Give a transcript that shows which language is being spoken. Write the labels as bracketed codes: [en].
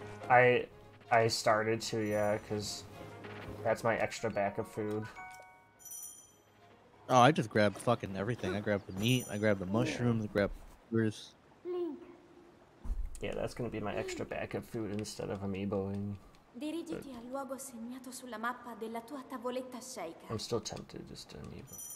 [en] I started to, yeah, because that's my extra backup food. Oh, I just grabbed fucking everything. I grabbed the meat, I grabbed the mushrooms, yeah. I grabbed peppers. Yeah, that's gonna be my extra backup food instead of amiiboing. [it] Dirigiti al luogo segnato sulla mappa della tua tavoletta shaker. [en] I'm still tempted just to amiibo.